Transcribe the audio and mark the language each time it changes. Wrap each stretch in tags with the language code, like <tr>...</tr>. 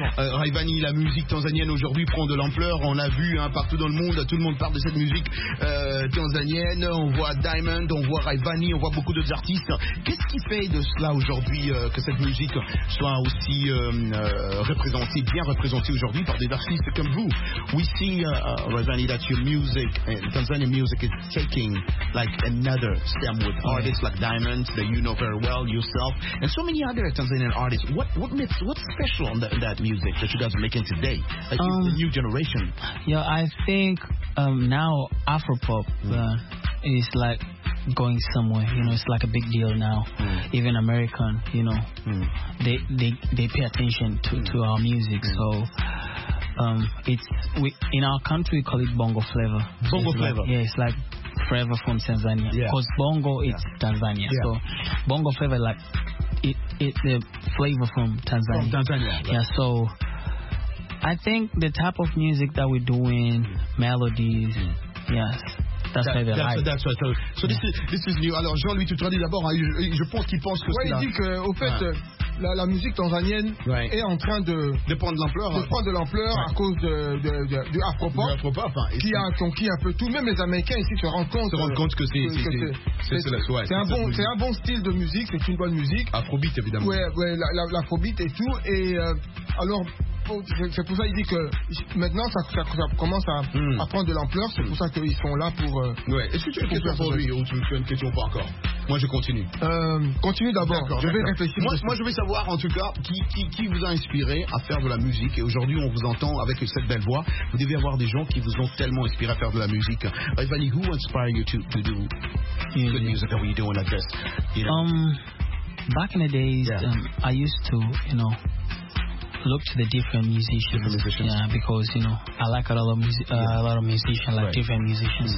<fr>Ray Bani, la musique tanzanienne aujourd'hui prend de l'ampleur. On l'a vu hein, partout dans le monde. Tout le monde parle de cette musique tanzanienne. On voit Diamond, on voit Ray Bani, on voit beaucoup d'autres artistes. Qu'est-ce qui fait de cela aujourd'hui que cette musique soit aussi représentée, bien représentée aujourd'hui par des artistes comme vous?</fr> <en>We see, Ravani, that your music, Tanzanian music, is taking like another stem with artists like Diamond, that you know very well yourself, and so many other Tanzanian artists. What's special on that music that you guys are making today? Like the new generation? Yeah, I think now Afropop is like going somewhere, you know, it's like a big deal now. Mm. Even American, you know, they pay attention to our music, so. In our country we call it Bongo Flavor. Bongo it's Flavor. Like, yeah, it's like Flavor from Tanzania. Because Bongo is Tanzania. Yeah. So Bongo Flavor like it's the flavor from Tanzania. From Tanzania. Right. Yeah, so I think the type of music that we're doing, melodies, yes. This is new.</en> <fr>Alors Jean-Louis, tu traduis d'abord. Hein, je pense qu'il pense que. Oui, il dit que au fait, la musique tanzanienne est en train de prendre de l'ampleur. À cause de Afropop. Qui a un peu tout. Même les Américains ici se rendent compte. C'est un bon style de musique. C'est une bonne musique. Afrobeat évidemment. Ouais, l'Afrobeat et tout. Et alors. c'est pour ça qu'il dit que maintenant ça commence à prendre de l'ampleur. C'est pour ça qu'ils sont là pour. Ouais. Est-ce que tu as une question pour lui ou tu as une question pas encore? Moi je continue. Continue d'abord. D'accord, je vais réfléchir. Moi je vais savoir en tout cas qui vous a inspiré à faire de la musique. Et aujourd'hui on vous entend avec cette belle voix. Vous devez avoir des gens qui vous ont tellement inspiré à faire de la musique.</fr> <en>Ivani, who inspired you to do the music that we're doing like this? You know? Back in the days, I used to, you know, look to the different musicians. Different musicians. Yeah, because you know I like a lot of a lot of musicians, like different musicians.</en>